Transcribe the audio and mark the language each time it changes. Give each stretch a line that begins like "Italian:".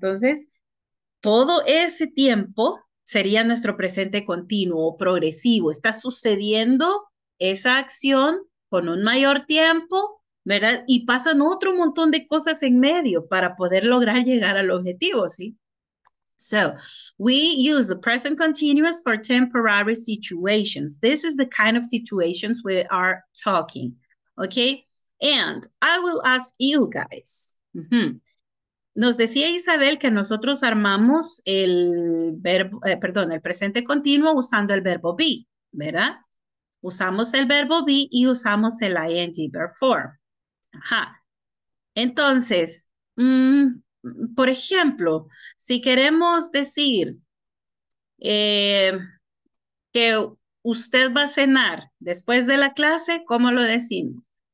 Spanish: Entonces, todo ese tiempo sería nuestro presente continuo o progresivo. Está sucediendo esa acción con un mayor tiempo, ¿verdad? Y pasan otro montón de cosas en medio para poder lograr llegar al objetivo, ¿sí?
English: So, we use the present continuous for temporary situations. This is the kind of situations we are talking, okay? And I will ask you guys.
Spanish: Nos decía Isabel que nosotros armamos el verbo, el presente continuo usando el verbo be, ¿verdad? Usamos el verbo be y usamos el ing verb form. Ajá. Entonces, por ejemplo, si queremos decir que usted va a cenar después de la clase, ¿cómo lo decimos?